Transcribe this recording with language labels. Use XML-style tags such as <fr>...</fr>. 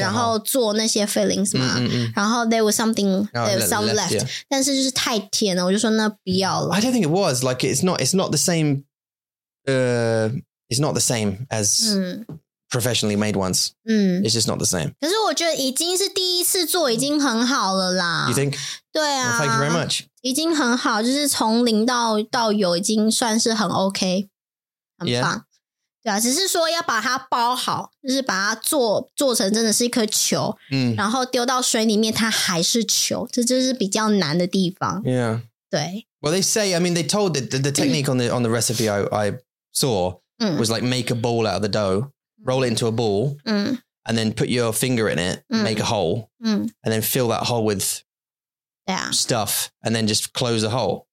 <zh>然后做那些 fillings 嘛、然后</zh> <en>there was something, there was some left, yeah.</en> <zh>但是就是太甜了我就说那不要了。</zh> <en>I don't think it was, like it's not the same, it's not the same as professionally made ones. Mm. It's just not the same.</en> <zh>可是我觉得已经是第一次做已经很好了啦。</zh> <en>You think?</en> <zh>对啊。</zh> <en>Well, thank you very much.</en> <zh>已经很好就是从零到有已经算是很 OK。很棒。</zh> <en>Yeah.</en> <zh>对啊，只是说要把它包好，就是把它做成真的是一颗球，嗯，然后丢到水里面，它还是球，这就是比较难的地方。</zh> <en>Yeah.</en> <zh>对。</zh> <en>Well, they say, I mean, they told the technique on the recipe I saw was like make a ball out of the dough, roll it into a ball, and then put your finger in it, make a hole, and then fill that hole with stuff, and then just close the hole.</en>